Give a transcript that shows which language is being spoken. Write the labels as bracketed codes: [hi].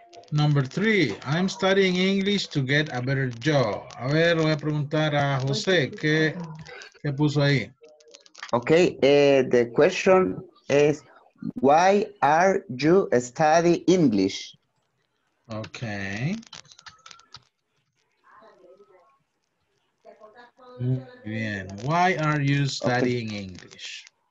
[en] Number three, I'm studying English to get a better job. [es] A ver, voy a preguntar a José, ¿qué puso ahí? [en] Okay, the question is, why are you studying English? Okay. Bien, why are you studying English?